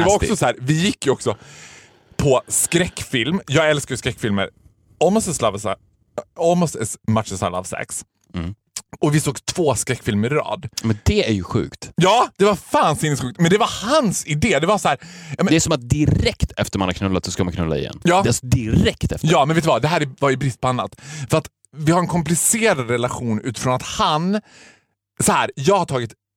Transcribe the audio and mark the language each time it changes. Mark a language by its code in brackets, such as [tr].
[sv] Det var också så här, vi gick ju också... På skräckfilm. Jag älskar skräckfilmer. [en] Almost as much as I love sex. Mm. [sv] Och vi såg två skräckfilmer i rad. Men det är ju sjukt. Ja, det var fan sinnessjukt. Men det var hans idé. Det var så här, men... Det är som att direkt efter man har knullat så ska man knulla igen. Ja. Det är alltså direkt efter. Ja, men vet du vad? Det här var ju brist på annat. För att vi har en komplicerad relation utifrån att han... Så här, jag har tagit...